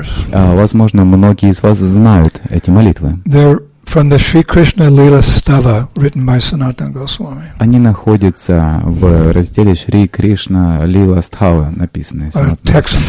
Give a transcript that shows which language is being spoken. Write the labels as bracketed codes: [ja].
[ru] Возможно, многие из вас знают эти молитвы. [en] From the Sri Krishna Lila Stava, written by Sanatana Goswami. [ru] Они находятся в разделе Шри Кришна Лила Стхава, написанные Санатана Госвами.